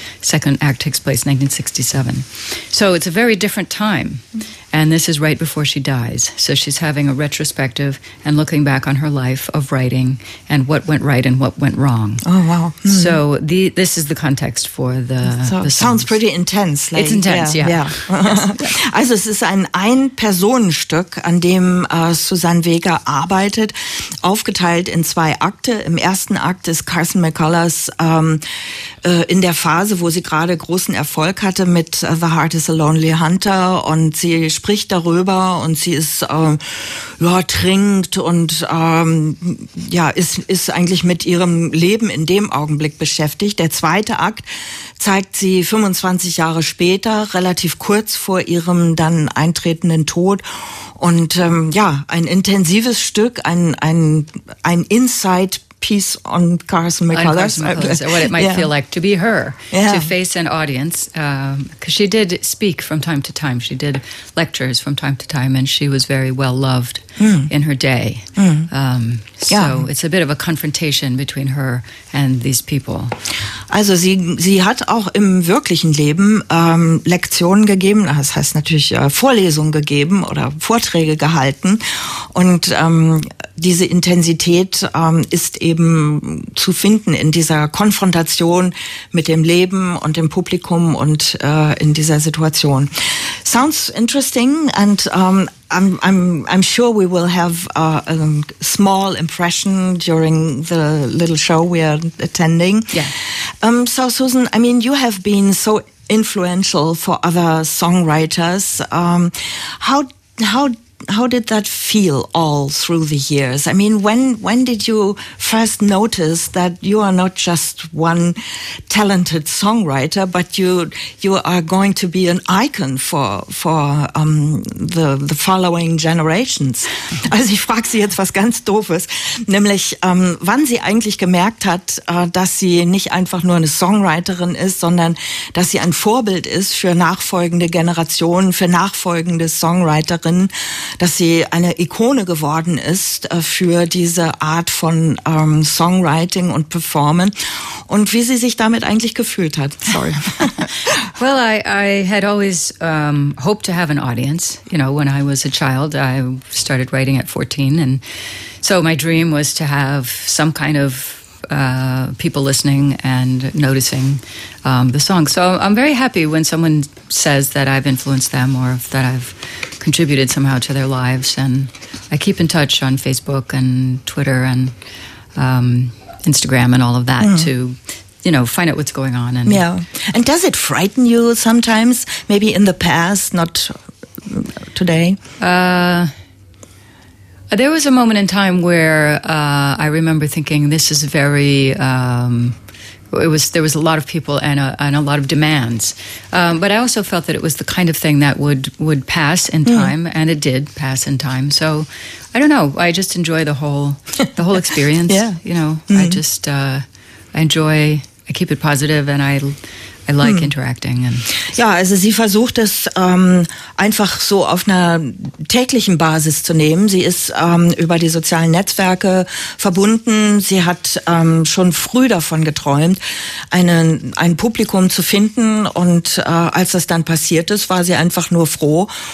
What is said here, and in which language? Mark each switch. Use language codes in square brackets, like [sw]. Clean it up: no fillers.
[en] Second act takes place in 1967. So it's a very different time. And this is right before she dies. So she's having a retrospective and looking back on her life of writing and what went right and what went wrong. Oh, wow. Mm-hmm. So this is the context for the songs. Sounds pretty intense. Like, it's intense, yeah. [de] Also es ist ein Personenstück, an dem Suzanne Vega arbeitet, aufgeteilt in zwei Akte. Im ersten Akt ist Carson McCullers in der Phase, wo sie gerade großen Erfolg hatte mit The Heart is a Lonely Hunter, und sie spricht darüber und sie ist trinkt und ist eigentlich mit ihrem Leben in dem Augenblick beschäftigt. Der zweite Akt zeigt sie 25 Jahre später, relativ kurz vor ihrem dann eintretenden Tod. Und ein intensives Stück, ein [en] Insight piece [de] on Carson McCullers. [en] What it might feel like to be her, yeah. to face an audience, because she did speak from time to time. She did lectures from time to time, and she was very well loved in her day. It's a bit of a confrontation between her and these people. [de] Also sie hat auch im wirklichen Leben Lektionen gegeben, das heißt natürlich Vorlesungen gegeben oder Vorträge gehalten, und diese Intensität ist eben zu finden in dieser Konfrontation mit dem Leben und dem Publikum und in dieser Situation. [en] Sounds interesting and I'm sure we will have a small impression during the little show we are attending. Yeah. So Susan, I mean, you have been so influential for other songwriters. How did that feel all through the years? I mean, when did you first notice that you are not just one talented songwriter, but you are going to be an icon for the following generations? [de] Also ich frage Sie jetzt was ganz Doofes, nämlich wann sie eigentlich gemerkt hat, dass sie nicht einfach nur eine Songwriterin ist, sondern dass sie ein Vorbild ist für nachfolgende Generationen, für nachfolgende Songwriterinnen, dass sie eine Ikone geworden ist für diese Art von Songwriting und Performen und wie sie sich damit eigentlich gefühlt hat. [en] Sorry. Well, I had always hoped to have an audience. You know, when I was a child, I started writing at 14. And so my dream was to have some kind of people listening and noticing the song. So I'm very happy when someone says that I've influenced them or that I've contributed somehow to their lives. And I keep in touch on Facebook and Twitter and Instagram and all of that to, you know, find out what's going on. And yeah. And does it frighten you sometimes, maybe in the past, not today? There was a moment in time where I remember thinking this is very, there was a lot of people and a lot of demands. But I also felt that it was the kind of thing that would pass in time, and it did pass in time. So I don't know. I just enjoy the whole experience. Yeah. You know, I just I keep it positive and I like interacting. [de] Ja, also sie versucht es einfach so auf einer täglichen Basis zu nehmen. Sie ist über die sozialen Netzwerke verbunden. Sie hat schon früh davon geträumt, ein Publikum zu finden. Und als das dann passiert ist, war sie einfach nur froh.